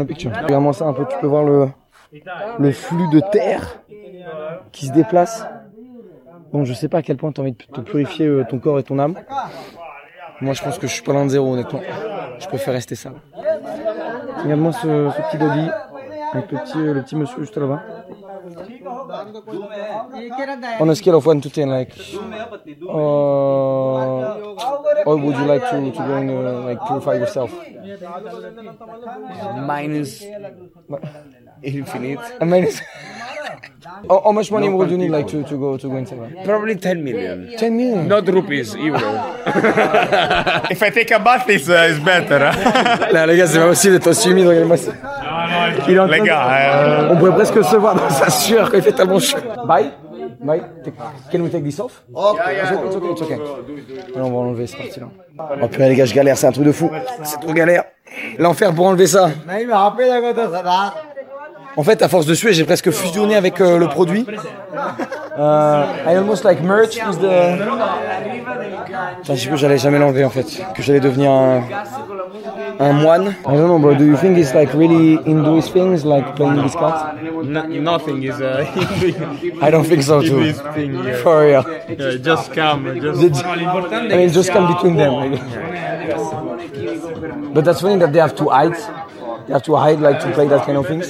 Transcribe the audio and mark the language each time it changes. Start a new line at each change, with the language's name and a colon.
French: Regarde-moi ça un peu, tu peux voir le flux de terre qui se déplace. Bon, je sais pas à quel point t'as envie de te purifier ton corps et ton âme. Moi, je pense que je suis pas loin de zéro, honnêtement. Je préfère rester sale. Regarde-moi ce petit body avec le petit monsieur juste là-bas.
English: On a scale of 1 to 10, like. Or would you like to go and like purify yourself? Minus infinite. A minus. How much money would you need like to go inside? Probably 10 million. 10 million? Not rupees, euro. If I take a bath, it's better.
French: Là, les gars, c'est pas possible d'être aussi humide. Regardez-moi ça. Les gars, on pourrait presque se voir dans sa sueur quand il fait tellement chaud.
English: Bye. Can we take this off? Okay.
French: On va enlever, c'est parti là. Oh putain, les gars, je galère, c'est un truc de fou. C'est trop galère. L'enfer pour enlever ça. Mais il me rappelle quand ça va. En fait, à force de suer, j'ai presque fusionné avec le produit.
English: I almost like merged with the.
French: J'ai dit que j'allais jamais l'enlever en fait, que j'allais devenir un moine.
English: I don't know, bro. Do you think it's like really Hindu's things, like playing this card? Nothing is. I don't think so too. Thing, yeah. For real. Yeah, just come. Just come between them. But that's funny that they have to hide. They have to hide, like, to play that kind of things.